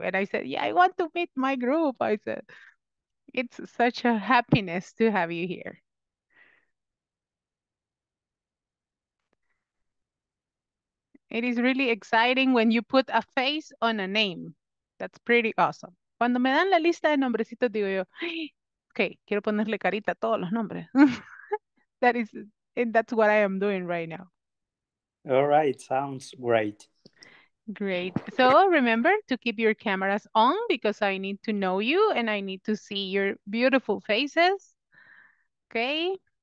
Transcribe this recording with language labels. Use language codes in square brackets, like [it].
[en] And I said, yeah, I want to meet my group. I said, it's such a happiness to have you here. It is really exciting when you put a face on a name. That's pretty awesome. [es] Cuando me dan la lista de nombrecitos, digo yo, ay, okay, quiero ponerle carita a todos los nombres. [en] That is, and that's what I am doing right now. All right, sounds great. Great. So remember to keep your cameras on because I need to know you and I need to see your beautiful faces. Okay.